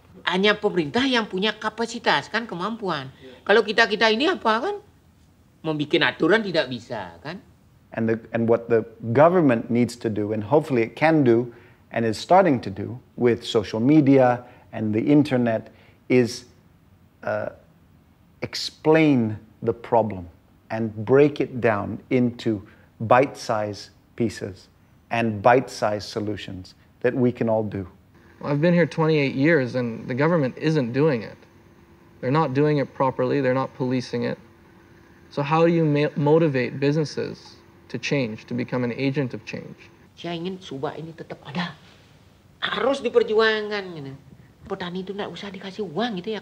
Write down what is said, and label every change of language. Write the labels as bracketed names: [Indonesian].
[Indonesian] Hanya pemerintah yang punya kapasitas kan kemampuan. Yeah. Kalau kita ini apa kan? Membikin aturan tidak bisa kan? [English] And what the government needs to do, and hopefully it can do, and is starting to do with social media and the internet, is explain the problem and break it down into bite-sized pieces and bite-sized solutions that we can all do. Well, I've been here 28 years and the government isn't doing it. They're not doing it properly, they're not policing it. So how do you motivate businesses to change, to become an agent of change? [Indonesian] Saya ingin subak ini tetap ada. Harus diperjuangkan. Petani itu nggak usah dikasih uang gitu ya.